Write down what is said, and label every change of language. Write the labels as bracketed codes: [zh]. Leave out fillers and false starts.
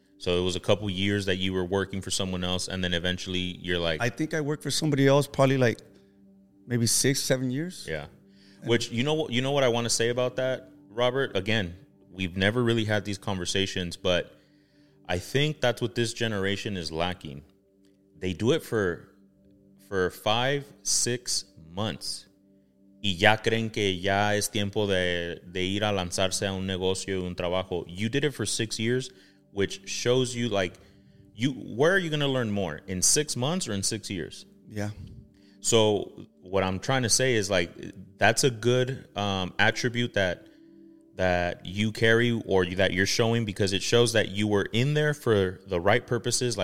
[en] So it was a couple years that you were working for someone else, and then eventually you're like... I think I worked for somebody else probably like maybe 6-7 years. Yeah. Which, you know what I want to say about that, Robert? Again, we've never really had these conversations, but I think that's what this generation is lacking. They do it for 5-6 months, [es] y ya creen que ya es tiempo de ir a lanzarse a un negocio, un trabajo. [en] You did it for 6 years, which shows you, like, you, where are you going to learn more, in 6 months or in 6 years? Yeah. So what I'm trying to say is, like, that's a good attribute that you carry or that you're showing, because it shows that you were in there for the right purposes.